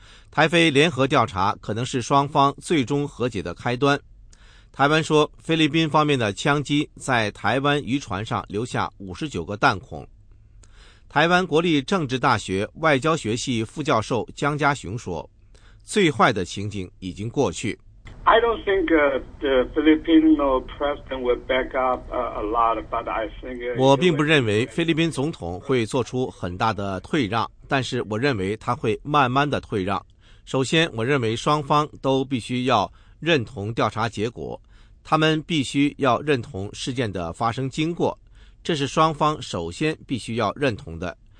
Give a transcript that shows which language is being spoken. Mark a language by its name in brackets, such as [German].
[Chinese] 台菲联合调查可能是双方最终和解的开端。台湾说，菲律宾方面的枪击在台湾渔船上留下59个弹孔。台湾国立政治大学外交学系副教授江家雄说，最坏的情景已经过去。 [English] I don't think the Filipino president would back up a lot, but I think [Chinese] 我并不认为菲律宾总统会做出很大的退让，但是我认为他会慢慢的退让。首先，我认为双方都必须要认同调查结果，他们必须要认同事件的发生经过，这是双方首先必须要认同的。